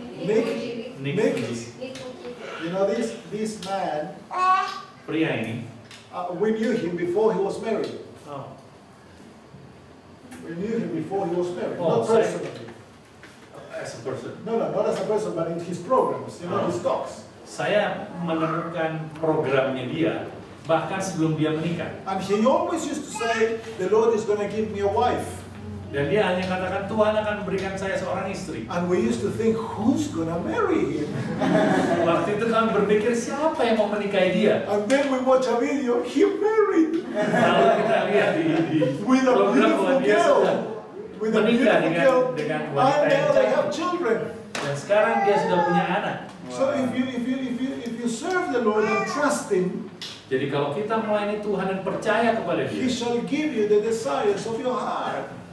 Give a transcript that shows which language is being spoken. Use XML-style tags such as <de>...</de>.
<en>Nick. You know this man?</en> <id>Pria ini.</id> <en>We knew him before he was married. Oh. We knew him before he was married. Oh, not personally. As a person. No, not as a person, but in his programs, you know, his talks.</en> <id>Saya menerangkan programnya dia bahkan sebelum dia menikah.</id> <en>And he always used to say, the Lord is going to give me a wife.</en> <id>Dan dia hanya katakan Tuhan akan berikan saya seorang istri.</id> <en>And we used to think, who's going to marry him?</en> <id>Waktu itu kami berpikir siapa yang mau menikahi dia.</id> <en>And then we watch a video, he married.</en> <id>Lalu kita lihat di program bahwa dia sudah menikah dengan wanita yang cantik.</id> <en>And now they have children.</en> <id>Dan sekarang dia sudah punya anak.</id> <en>So if you serve the Lord and trust Him,</en> <id>jadi kalau kita melayani Tuhan dan percaya kepada Dia,</id> <en>He shall give you the desires of your heart.</en>